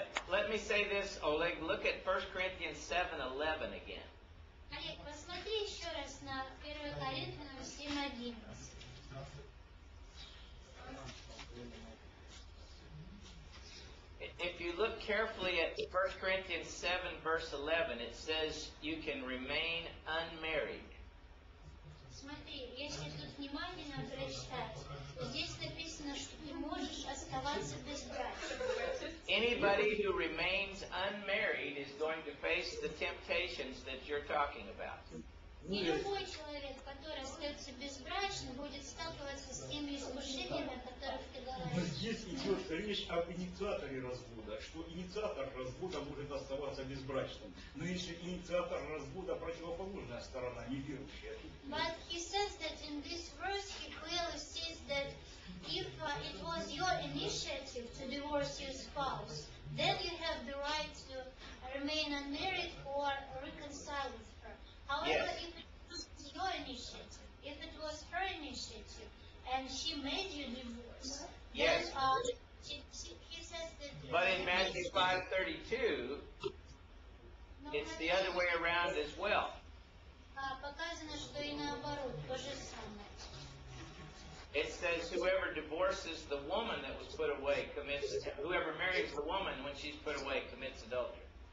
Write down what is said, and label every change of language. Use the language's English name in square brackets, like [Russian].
[English] Let me say this, Oleg, look at 1 Corinthians 7:11 again. [Russian] Олег, посмотри еще раз на 1 Коринфянам 7:11. [English] If you look carefully at 1 Corinthians 7, verse 11, it says you can remain unmarried. [Russian] Смотри, если тут внимательно прочитать, здесь написано, что ты можешь оставаться без брака. [English] Anybody who remains unmarried is going to face the temptations that you're talking about. [Russian] И любой человек, который остается безбрачным, будет сталкиваться с теми искушениями, о которых ты говоришь. Здесь идет речь об инициаторе развода, что инициатор развода может оставаться безбрачным. Но если инициатор развода противоположная сторона, неверующая. [English] But he says that in this verse he clearly says that if it was your initiative to divorce your spouse, then you have the right to remain unmarried or reconcile with her. However, yes. If it was your initiative, if it was her initiative, and she made you divorce, yes. Then he says that... But in Matthew 5:32, it's the other way around as well. [Russian] Показано, что и наоборот, то же самое. [English] It says, whoever divorces the woman that was put away commits adultery. Whoever marries the woman when she's put away commits adultery.